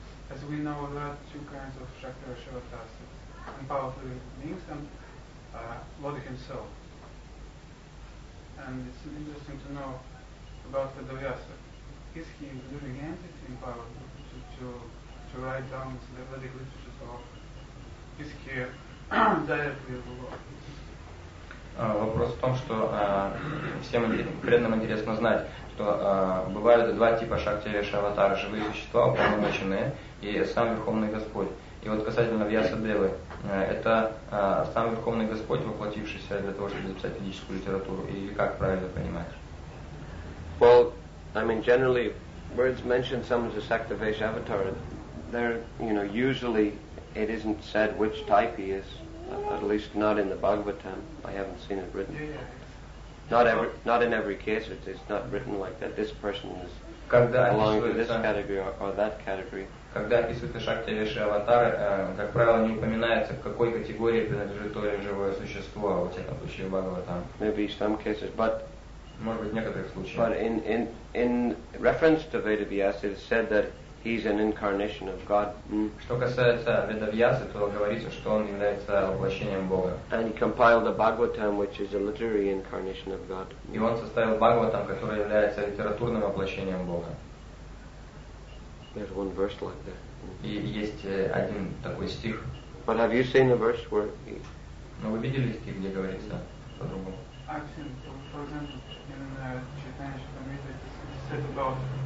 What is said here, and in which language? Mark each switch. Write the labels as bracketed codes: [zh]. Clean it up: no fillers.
[en] As we know, there are two kinds of Shakti Rishavatas, empowered beings and Lord himself. And it's interesting to know about the Vyasa. Is he the living entity empowered to write down the Vedic literature, or is he directly of the Lord? [ru] Вопрос в том, что всем преданным интересно знать, что бывают два типа шакти-реша-аватара, живые существа, уполномоченные, и сам Верховный Господь. И вот касательно Вьяса-девы, это сам Верховный Господь, воплотившийся для того, чтобы записать ведическую литературу, или как правильно понимаешь? [en] Well, I mean, generally, words mention someone as a шакти-реша-аватара, they're, you know, usually it isn't said which type he is. At least not in the Bhagavatam. I haven't seen it written. Not in every case. It's not written like that. This person is belonging to this category or that category. [ru] Когда описывается шакти реша аватара, как правило, не упоминается, к какой категории принадлежит то или живое существо, а вот это случае Бхагаватам. [en] Maybe some cases, but [ru] может быть в некоторых случаях. [en] But in reference to Veda Vyasa, it is said that he's an incarnation of God. [ru] Что касается Ведавьясы, то говорится, что он является воплощением Бога. [en] And he compiled the Bhagavatam, which is a literary incarnation of God. [ru] И он составил Бхагаватам, который является литературным воплощением Бога. [en] There's one verse like that. [ru] И есть один такой стих. [en] But have you seen the verse where he... [ru] Но вы видели стих, где говорится по-другому? [en] I've seen, for example, in Chaitanya Chaitanya, it's said about